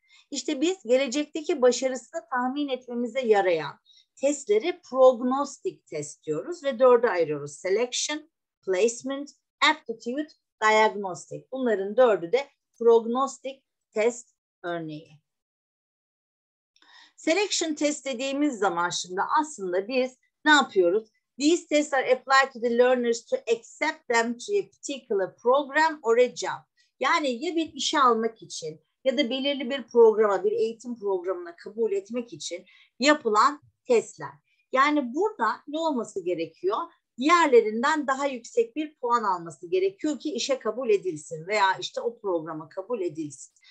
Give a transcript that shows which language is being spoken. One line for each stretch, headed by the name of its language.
Turkish: İşte biz gelecekteki başarısını tahmin etmemize yarayan testleri prognostik test diyoruz ve 4'e ayırıyoruz.
English: Selection, placement, aptitude, diagnostic.
Turkish: Bunların 4'ü de prognostik test örneği. Selection test dediğimiz zaman şimdi aslında biz ne yapıyoruz?
English: These tests are applied to the learners to accept them to a particular program or a job.
Turkish: Yani ya bir işe almak için ya da belirli bir programa, bir eğitim programına kabul etmek için yapılan testler. Yani burada ne olması gerekiyor? Diğerlerinden daha yüksek bir puan alması gerekiyor ki işe kabul edilsin veya işte o programa kabul edilsin.